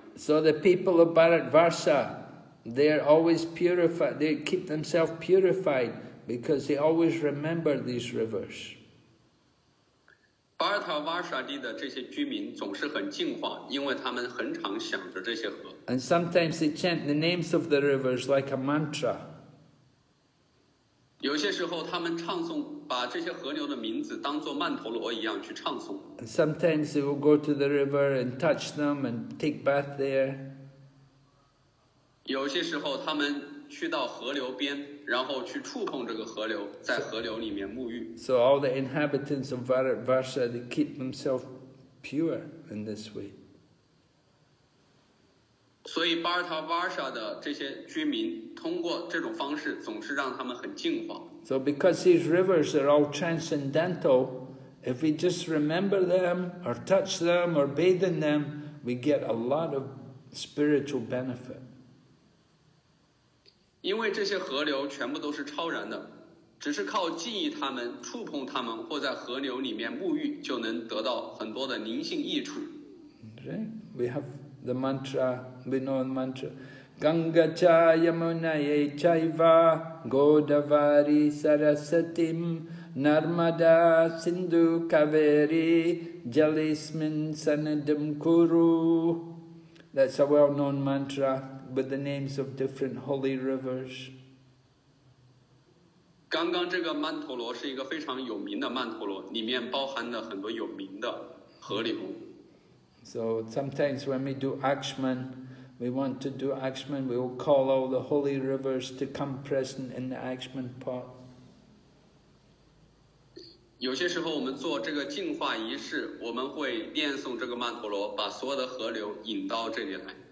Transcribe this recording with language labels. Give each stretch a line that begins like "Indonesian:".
English: So the people of Bharatvarsha, they are always purified, they keep themselves purified because they always remember these rivers.
Chinese: Bharatvarsha 地的这些居民总是很净化，因为他们很常想着这些河。
English: And sometimes they chant the names of the rivers like a mantra.
Chinese: 有些时候他们唱诵把这些河流的名字当作曼陀罗一样去唱诵。
English: Sometimes they will go to the river and touch them and take bath there.
Chinese: 有些时候他们去到河流边，然后去触碰这个河流，在河流里面沐浴。
English: So all the inhabitants of Bharatvarsha they keep themselves pure in this way.
Chinese: 所以巴尔塔瓦沙的这些居民通过这种方式，总是让他们很净化。
English: So because these rivers are all transcendental, if we just remember them, or touch them, or bathe in them, we get a lot of spiritual benefit.
Chinese: 因为这些河流全部都是超然的，只是靠记忆它们、触碰它们，或在河流里面沐浴，就能得到很多的灵性益处。
English: Right? We have the mantra, we know the mantra.
Sanskrit: Ganga cha Yamunaye Chaiva Godavari Sarasatim Narmada Sindhu Kaveri Jalismin Sanadam Kuru.
English: That's a well-known mantra with the names of different holy rivers.
Chinese: 刚刚这个曼陀罗是一个非常有名的曼陀罗，里面包含了很多有名的河流。
English: So sometimes when we do Akshman,We want to do Akshman, we will call all the holy rivers to come present in the Akshman pot.
Chinese: 有些时候我们做这个净化仪式，我们会念诵这个曼陀罗，把所有的河流引到这里来。